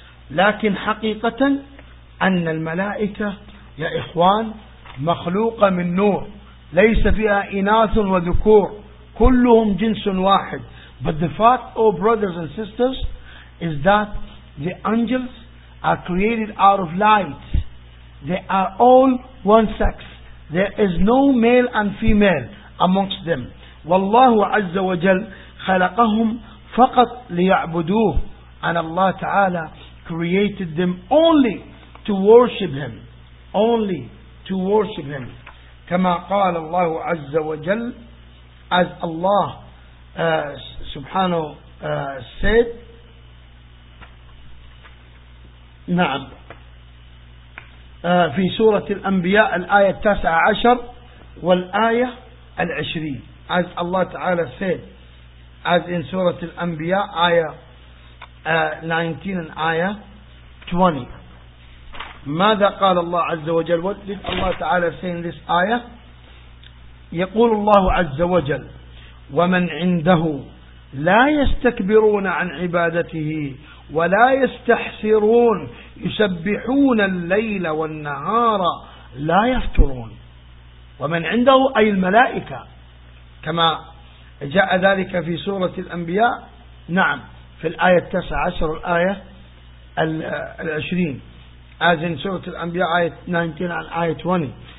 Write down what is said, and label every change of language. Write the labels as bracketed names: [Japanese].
[Arabic] لكن حقيقة أن الملائكة يا إخوان مخلوقة من نور, ليس فيها إناث وذكور, كلهم جنس واحد. [English] But the fact, oh brothers and sisters, is that the angels are created out of light. They are all one sex. There is no male and female amongst them. [Arabic] والله عز وجل خلقهم فقط ليعبدوه. [English] And Allah Ta'ala created them only to worship Him. Only to worship Him. [Arabic] كما قال الله عز وجل, [English] as Allah سبحانه said, [Arabic] نعم, في سورة الأنبياء الآية 19 والآية 20, [English] as Allah Ta'ala said, as in [Arabic] سورة الأنبياء آية 19 [English] and [Arabic] آية 20. ماذا قال الله عز وجل؟ [English] What did Allah Ta'ala say in this ayah? [Arabic] يقول الله عز وجل ومن عنده لا يستكبرون عن عبادته ولا يستحسرون يسبحون الليل والنهار لا يفترون. ومن عنده أي الملائكة, كما جاء ذلك في سورة الأنبياء, نعم, في الآية 19 الآية 20, [English] as in [Arabic] سورة الأنبياء آية 19 عن آية 20.